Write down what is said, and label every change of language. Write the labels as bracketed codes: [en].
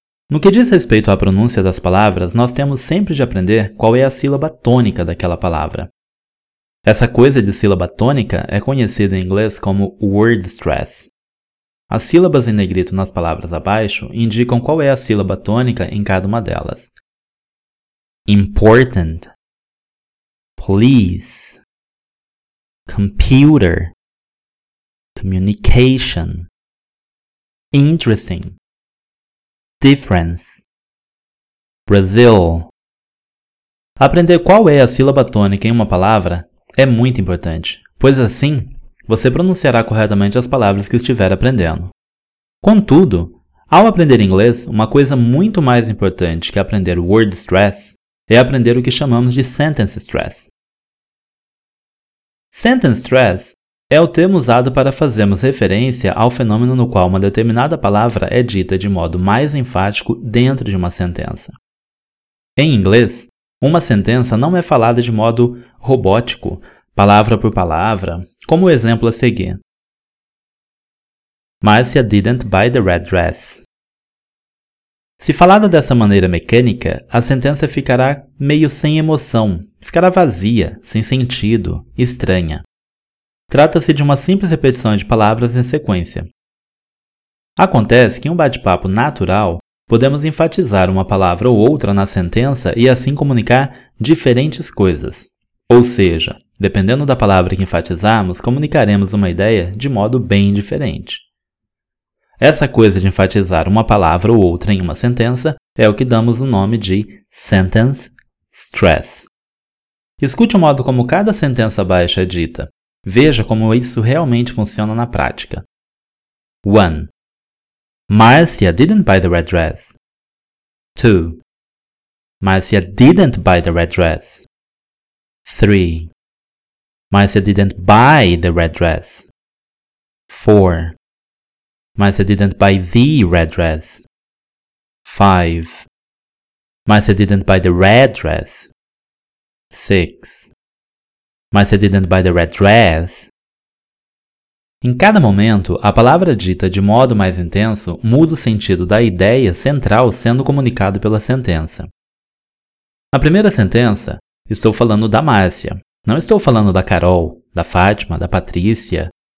[pt] No que diz respeito à pronúncia das palavras, nós temos sempre de aprender qual é a sílaba tônica daquela palavra. Essa coisa de sílaba tônica é conhecida em inglês como word stress. As sílabas em negrito nas palavras abaixo indicam qual é a sílaba tônica em cada uma delas. [en] Important, please, computer, communication, interesting, difference, Brazil. [pt] Aprender qual é a sílaba tônica em uma palavra é muito importante, pois assim você pronunciará corretamente as palavras que estiver aprendendo. Contudo, ao aprender inglês, uma coisa muito mais importante que aprender word stress é aprender o que chamamos de sentence stress. Sentence stress é o termo usado para fazermos referência ao fenômeno no qual uma determinada palavra é dita de modo mais enfático dentro de uma sentença. Em inglês, uma sentença não é falada de modo robótico, palavra por palavra, como o exemplo a seguir. [en] Marcia didn't buy the red dress. [pt] Se falada dessa maneira mecânica, a sentença ficará meio sem emoção, ficará vazia, sem sentido, estranha. Trata-se de uma simples repetição de palavras em sequência. Acontece que em um bate-papo natural, podemos enfatizar uma palavra ou outra na sentença e assim comunicar diferentes coisas. Ou seja, dependendo da palavra que enfatizarmos, comunicaremos uma ideia de modo bem diferente. Essa coisa de enfatizar uma palavra ou outra em uma sentença é o que damos o nome de sentence stress. Escute o modo como cada sentença baixa é dita. Veja como isso realmente funciona na prática. 1. [en] Marcia didn't buy the red dress. 2. Marcia didn't buy the red dress. 3. Marcia didn't buy the red dress. 4. Marcia didn't buy the red dress. 5. Marcia didn't buy the red dress. 6. Marcia didn't buy the red dress. [pt] Em cada momento, a palavra dita de modo mais intenso muda o sentido da ideia central sendo comunicado pela sentença. Na primeira sentença, estou falando da Márcia. Não estou falando da Carol, da Fátima, da Patrícia.